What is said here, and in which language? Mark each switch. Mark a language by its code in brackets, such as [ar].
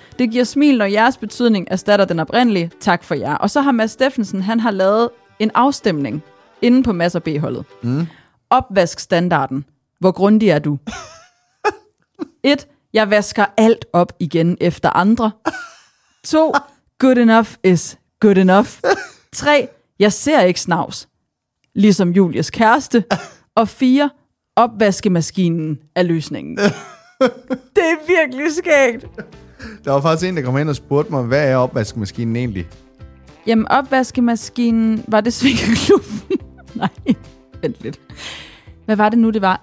[da] Det giver smil, når jeres betydning erstatter den oprindelige. Tak for jer. Og så har Mads Steffensen, han har lavet en afstemning inde på Mads og B-holdet. Mm. Opvaskstandarden. Hvor grundig er du? 1. Jeg vasker alt op igen efter andre. 2. [en] Good enough is good enough. [da] 3. Jeg ser ikke snavs, ligesom Julies kæreste. Og 4. Opvaskemaskinen er løsningen. Det er virkelig skægt. Der var faktisk en, der kom ind og spurgte mig, hvad er opvaskemaskinen egentlig? Jamen, opvaskemaskinen, var det svinkeklubben? Nej, vent lidt. Hvad var det nu, det var?